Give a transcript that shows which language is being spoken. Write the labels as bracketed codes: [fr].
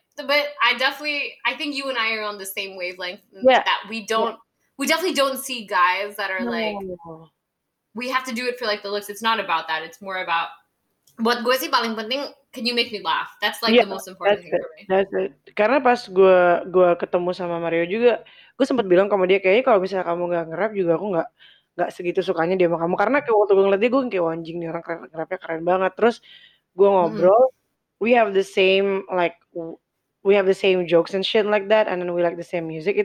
[en] But I think you and I are on the same wavelength that we definitely don't see guys that are we have to do it for like the looks. It's not about that. It's more about what [id] gue sih paling penting, [en] can you make me laugh? That's like the most important thing for me. That's it. [id] Karena pas gue ketemu sama Mario juga, gue sempat bilang sama dia kayaknya kalau misalnya kamu gak nge-rap juga aku gak segitu sukanya dia sama kamu. Karena kayak waktu gue ngeliat dia, gue kayak anjing nih orang nge-rapnya keren banget. Terus gue ngobrol, [en] we have the same like we have the same jokes and shit like that, and then we like the same music.